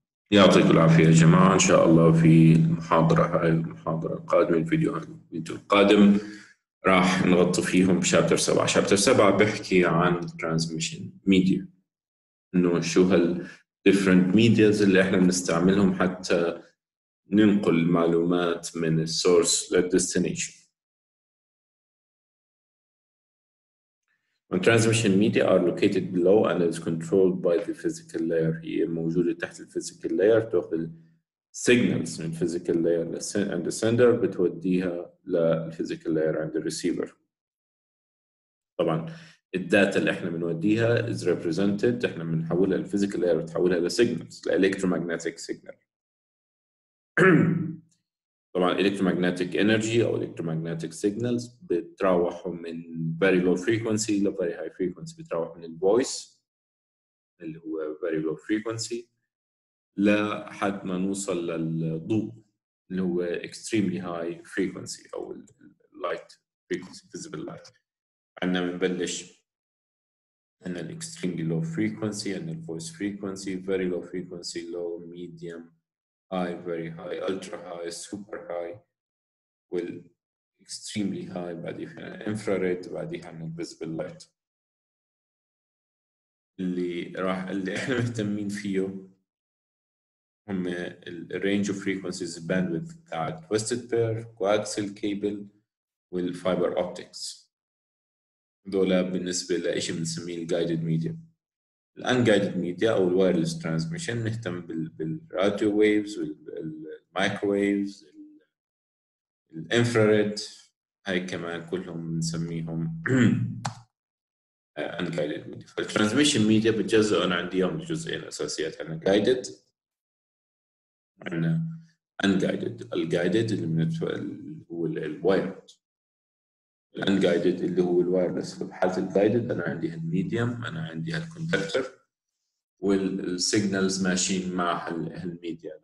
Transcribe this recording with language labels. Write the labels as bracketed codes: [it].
[ar] يعطيك العافية يا جماعة، إن شاء الله في المحاضرة هاي المحاضرة القادمة، الفيديو القادم راح نغطي فيهم شابتر 7. شابتر 7 بحكي عن ترانسميشن ميديا، إنه شو هال different medias اللي إحنا بنستعملهم حتى ننقل المعلومات من source للdestination. [en] Transmission media are located below and is controlled by the physical layer. [ar] هي موجودة تحت the physical layer. تأخذ signals من physical layer and the sender بتوديها لل physical layer and the receiver. طبعا الداتا اللي احنا بنوديها is represented، احنا بنحولها لل physical layer بتحولها ل signals، ل electromagnetic signal. طبعا electromagnetic energy او electromagnetic signals بتراوحوا من very low frequency ل very high frequency، بتراوح من ال voice اللي هو very low frequency لحد ما نوصل للضوء اللي هو extremely high frequency او light frequency visible light. [en] عندنا بنبلش عندنا ال extremely low frequency and the voice frequency, very low frequency, low, medium, high, very high, ultra high, super high, well, extremely high, بعدي في infrared, بعدي عن invisible light. اللي احنا مهتمين فيه هم ال range of frequencies, bandwidth, twisted pair, coaxial cable, well, fiber optics. [ar] دول بالنسبة لإيش بنسميه guided media. Unguided media أو wireless transmission نهتم بالradio waves والmicrowaves والinfrared، هاي كمان كلهم نسميهم unguided media. فالtransmission media بتجزء، أنا عندي يوم جزئين أساسيات، عنا guided عنا unguided. الguided اللي هو الwired، الunguided اللي هو الwireless. فبحالة الguided أنا عندي هالmedium، أنا عندي هالconductor والسيجنالز ماشيين مع هالميديا.